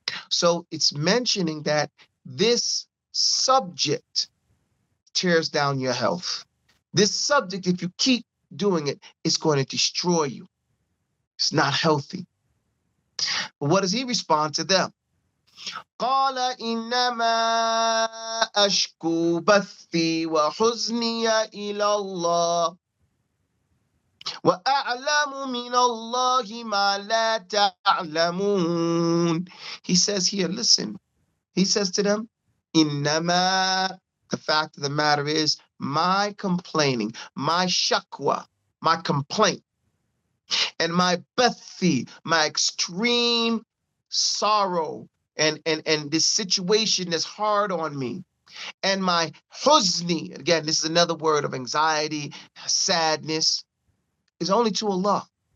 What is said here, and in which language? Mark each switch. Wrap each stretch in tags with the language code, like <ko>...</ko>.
<en>So it's mentioning that this subject tears down your health. This subject, if you keep doing it, it's going to destroy you. It's not healthy. But what does he respond to them?</en> <ar>قال إنما أشكو بثي وحزني إلى الله وأعلم من الله ما لا تعلمون.</ar> <en>He says here, listen. He says to them, إنما, the fact of the matter is, my complaining, my shakwa, my complaint, and my bethi, my extreme sorrow, and this situation that's hard on me, and my huzni, again, this is another word of anxiety, sadness, is only to Allah.</en>